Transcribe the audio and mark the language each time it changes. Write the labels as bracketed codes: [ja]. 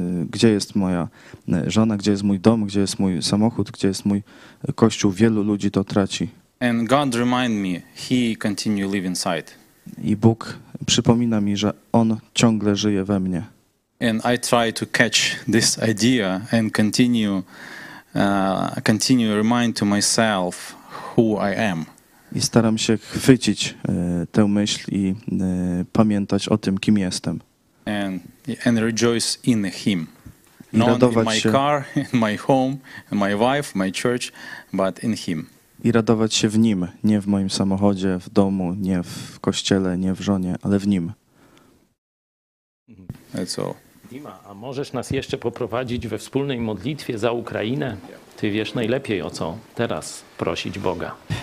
[pl] Gdzie jest moja żona? Gdzie jest mój dom? Gdzie jest mój samochód? Gdzie jest mój kościół? Wielu ludzi to traci. [en] And God remind me, He continue live inside. [pl] I Bóg przypomina mi, że On ciągle żyje we mnie. [en] And I try to catch this idea and continue remind to myself who I am. [pl] I staram się chwycić tę myśl i pamiętać o tym, kim jestem. [en] And rejoice in Him. Not in my car, in my home, in my wife, my church, but in Him. [pl] I radować się w Nim, nie w moim samochodzie, w domu, nie w kościele, nie w żonie, ale w Nim. [en] That's all. [pl] Dima, a możesz nas jeszcze poprowadzić we wspólnej modlitwie za Ukrainę? Ty wiesz najlepiej, o co teraz prosić Boga.